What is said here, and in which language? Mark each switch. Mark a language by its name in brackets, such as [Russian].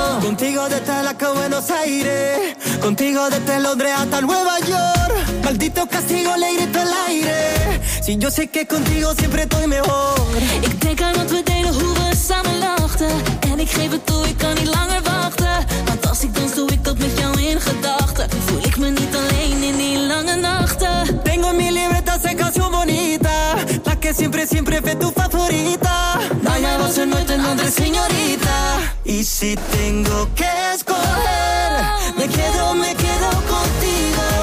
[Spanish] Contigo desde la que Buenos Aires, contigo desde Londres hasta Nueva York. Maldito castigo, le grito al aire. Si yo sé que contigo siempre estoy mejor. [Dutch] Ik denk aan wat we deden, hoe we samen lachten. En ik geef het toe, ik kan niet langer wachten. Want als ik dans, doe ik dat met jou in gedachten. Voel ik me niet alleen in die lange nachten. [Spanish] Tengo mi libertad, en canción bonita. La que siempre fue tu favorita. Vaya, va a ser nuestra nombre, señorita. Y si tengo que escoger, me quedo contigo.